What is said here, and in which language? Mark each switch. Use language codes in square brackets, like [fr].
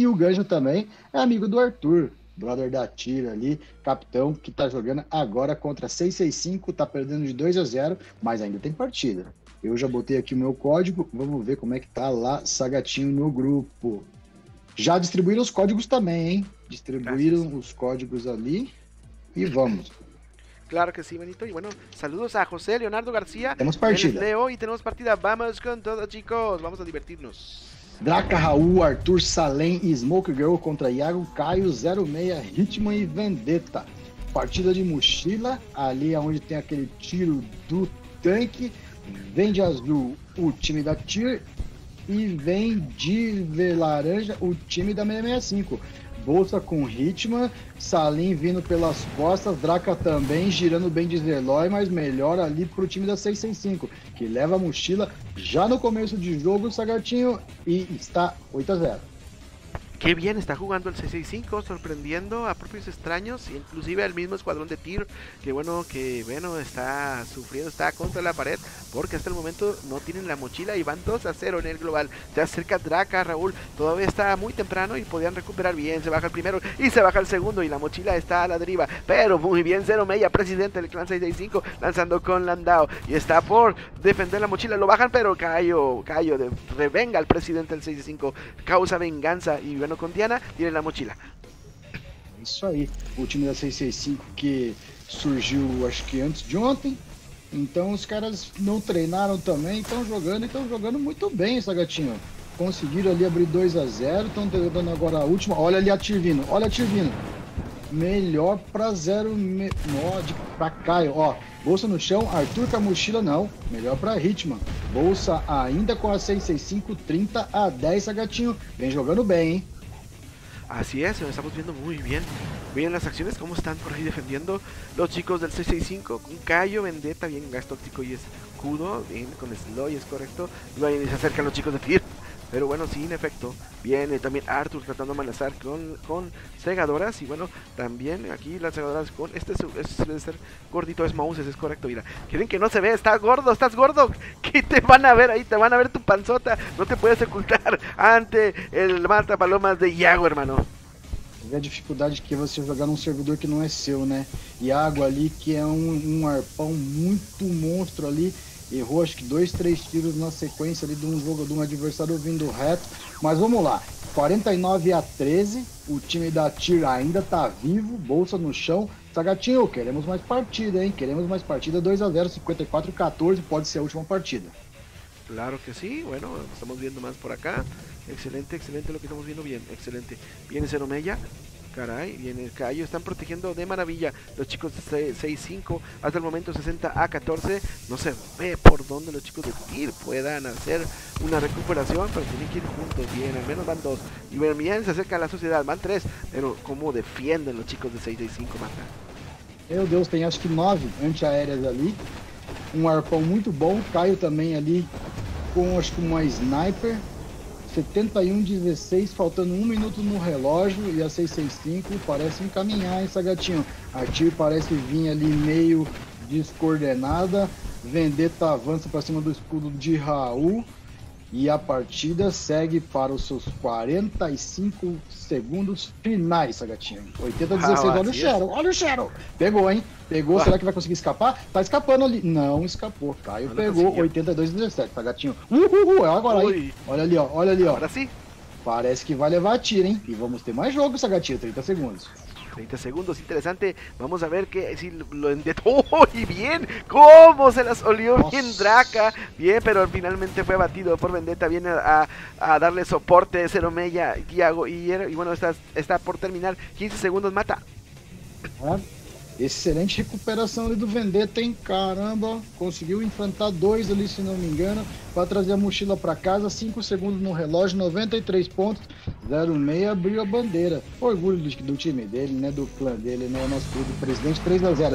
[pt] E o Ganjo também é amigo do Arthur, brother da Tira ali, capitão, que tá jogando agora contra 665, tá perdendo de 2-0, mas ainda tem partida. Eu já botei aqui o meu código, vamos ver como é que tá lá, Sagatinho, no grupo. Já distribuíram os códigos também, hein? Distribuíram os códigos ali e vamos. [es] Claro que sí, manito. Y bueno, saludos a José Leonardo García. Tenemos partida. Leo y tenemos partida. Vamos con todo, chicos. Vamos a divertirnos. Draca Raúl, Arthur Salem y Smoke Girl contra Iago Caio, 06, Ritmo y Vendetta. [pt] Partida de mochila, ali onde tem aquele tiro do tanque. Vem de azul o time da TIR e vem de laranja o time da 665. Bolsa com ritmo, Salim vindo pelas costas, Draca também girando bem de Zeloy, mas melhor ali pro time da 665, que leva a mochila já no começo de jogo, Sagatinho, e está 8-0. [es] Que bien, está jugando el 665, sorprendiendo a propios extraños, inclusive al mismo escuadrón de TIR, que bueno, está sufriendo, está contra la pared, porque hasta el momento no tienen la mochila y van 2-0 en el global. Se acerca Draca, Raúl, todavía está muy temprano y podían recuperar bien, se baja el primero y se baja el segundo y la mochila está a la deriva, pero muy bien, Zero Media, presidente del clan 665, lanzando con Landau y está por defender la mochila, lo bajan, pero Cayo, revenga al presidente del 665, causa venganza y bueno, con Diana, tiene la mochila. [pt] Isso aí, o time da 665 que surgiu, acho que antes de ontem, então os caras não treinaram também, estão jogando muito bem, essa gatinha, conseguiram ali abrir 2-0, estão dando agora a última, olha ali a Tirvino, melhor pra zero, pra Caio, ó, bolsa no chão, Arthur com a mochila, não, melhor pra Hitman, bolsa ainda com a 665, 30-10, essa gatinha, vem jogando bem, hein. [es] Así es, estamos viendo muy bien. Miren las acciones, cómo están por ahí defendiendo los chicos del 665. Con Cayo, Vendetta, bien, gas tóxico y escudo. Bien, con Sloy, es correcto. Y ahí se acercan los chicos de TIR. Pero bueno, sí, en efecto, viene también Arthur tratando de amenazar con segadoras. Y bueno, también aquí las segadoras con... Este debe ser gordito, es Moses, es correcto, mira. Quieren que no se vea, está gordo, estás gordo. ¿Qué te van a ver ahí? Te van a ver tu panzota. No te puedes ocultar ante el Mata Palomas de Iago, hermano. [pt] A dificuldade que você jogar num servidor que não é seu, né? Iago ali, que é um arpão muito monstro ali, errou acho que 2-3 tiros na sequência ali de um jogo de um adversário vindo reto. Mas vamos lá, 49-13, o time da TIR ainda tá vivo, bolsa no chão. Sagatinho, queremos mais partida, hein? Queremos mais partida, 2-0, 54-14, pode ser a última partida. [es] Claro que sí, bueno, estamos viendo más por acá. Excelente, excelente lo que estamos viendo, bien, excelente. Viene Ceromella, caray, viene el Cayo, están protegiendo de maravilla los chicos de 6-5, hasta el momento 60-14. No se ve por dónde los chicos de TIR puedan hacer una recuperación, pero tienen que ir juntos, bien, al menos van dos. Y bueno, bien, se acerca a la sociedad, van tres, pero ¿cómo defienden los chicos de 6-5, Marta? [pt] Meu Deus, tem acho que 9 antiaéreas ali. Um arpão muito bom, Caio também ali com acho que uma sniper. 71-16, faltando um minuto no relógio, e a 665 parece encaminhar essa gatinha. A TIR parece vir ali meio descoordenada. Vendetta avança para cima do escudo de Raul. E a partida segue para os seus 45 segundos finais, Sagatinho. 80-16, olha o Shadow, olha o Shadow. Pegou, hein? Pegou, será que vai conseguir escapar? Tá escapando ali. Não, escapou. Caio pegou, 82-17, Sagatinho. É agora aí. Olha ali, ó. Olha ali, ó. Agora sim. Parece que vai levar a tira, hein? E vamos ter mais jogo, Sagatinho. 30 segundos. [es] 30 segundos, interesante. Vamos a ver que si lo endetó. ¡Oh, y bien! ¡Cómo se las olió! Bien, Draca. Bien, pero finalmente fue abatido por Vendetta. Viene a darle soporte a Ceromella, Iago. Y bueno, está por terminar. 15 segundos, mata. [pt] Excelente recuperação ali do Vendetta, hein? Caramba, conseguiu enfrentar dois ali, se não me engano, para trazer a mochila para casa. 5 segundos no relógio, 93 pontos, 06, abriu a bandeira. Orgulho do time dele, né? Do clã dele, né? Nosso clube presidente, 3-0.